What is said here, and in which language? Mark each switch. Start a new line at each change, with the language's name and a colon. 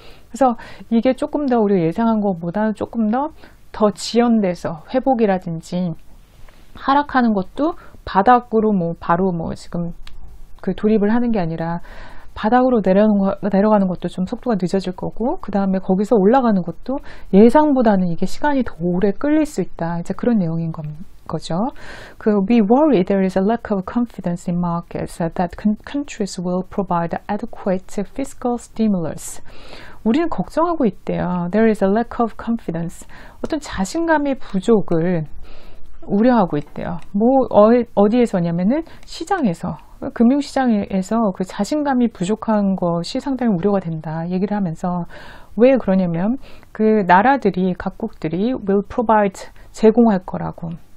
Korean: 그래서 이게 조금 더 우리가 예상한 것보다는 조금 더 지연돼서 회복이라든지 하락하는 것도 바닥으로 뭐 바로 뭐 지금 그 돌입을 하는 게 아니라 바닥으로 내려가는 것도 좀 속도가 늦어질 거고, 그 다음에 거기서 올라가는 것도 예상보다는 이게 시간이 더 오래 끌릴 수 있다. 이제 그런 내용인 거죠.
English: 그 We worry there is a lack of confidence in markets that countries will provide adequate fiscal stimulus.
Korean: 우리는 걱정하고 있대요.
English: There is a lack of confidence.
Korean: 어떤 자신감의 부족을 우려하고 있대요. 뭐 어디에서냐면은 시장에서 금융시장에서 그 자신감이 부족한 것이 상당히 우려가 된다 얘기를 하면서 왜 그러냐면 그 나라들이 각국들이
English: will provide
Korean: 제공할 거라고